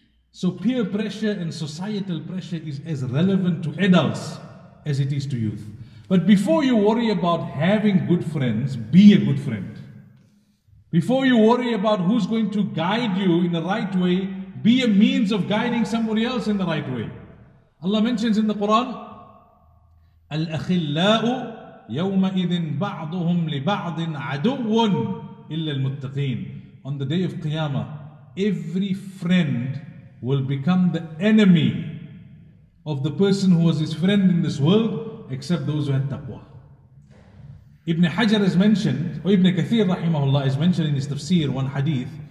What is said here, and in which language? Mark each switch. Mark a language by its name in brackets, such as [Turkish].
[English] So peer pressure and societal pressure is as relevant to adults as it is to youth. But before you worry about having good friends, be a good friend. Before you worry about who's going to guide you in the right way, be a means of guiding somebody else in the right way. Allah mentions in the Quran, [Arabic] الْأَخِلَّاءُ يَوْمَئِذٍ بَعْضُهُمْ لِبَعْضٍ عَدُوٌ إِلَّا الْمُتَّقِينَ. [English] On the day of Qiyamah, every friend will become the enemy of the person who was his friend in this world, except those who had taqwa. Ibn Hajar is mentioned, or Ibn Kathir rahimahullah is mentioned in his tafsir, one hadith.